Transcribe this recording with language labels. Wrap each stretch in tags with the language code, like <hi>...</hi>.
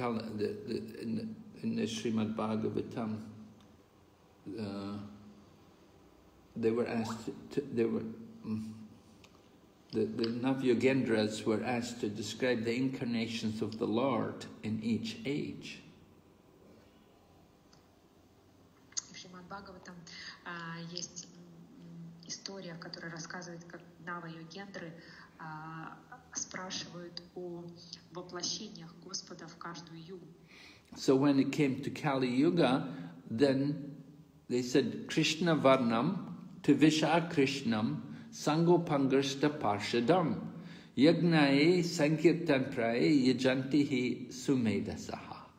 <en>In the Srimad Bhagavatam, the Navyogendras were asked to describe the incarnations of the Lord in each age.</en> <ru>В Шримад Бхагаватам есть история, которая рассказывает, как Навайогендры спрашивают о воплощениях Господа в каждую югу.</ru> <en>So when it came to Kali Yuga, then they said</en> <sa>Krishna Varnam to Visha Krishnam Sangopangrishta Parshadam Yagnae Sankirtanpraye Yajantihi Sumedasaha.</sa>